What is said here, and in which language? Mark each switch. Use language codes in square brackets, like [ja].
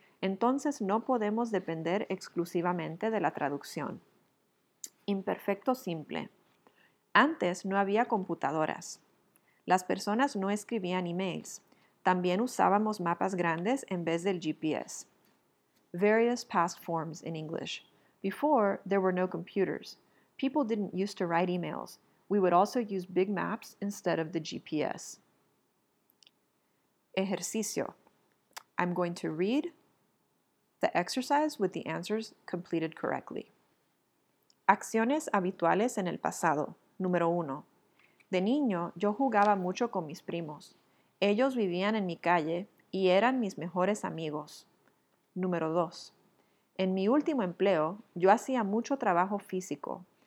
[es] Entonces no podemos depender exclusivamente de la traducción. Imperfecto simple. Antes no había computadoras. Las personas no escribían emails. También usábamos mapas grandes en vez del GPS. [en] Various past forms in English. Before, there were no computers. People didn't use to write emails. We would also use big maps instead of the GPS. [es] Ejercicio. [en] I'm going to read the exercise with the answers completed correctly. [es] Acciones habituales en el pasado. Número 1. De niño, yo jugaba mucho con mis primos. Ellos vivían en mi calle y eran mis mejores amigos. Número 2. En mi último empleo, yo hacía mucho trabajo físico.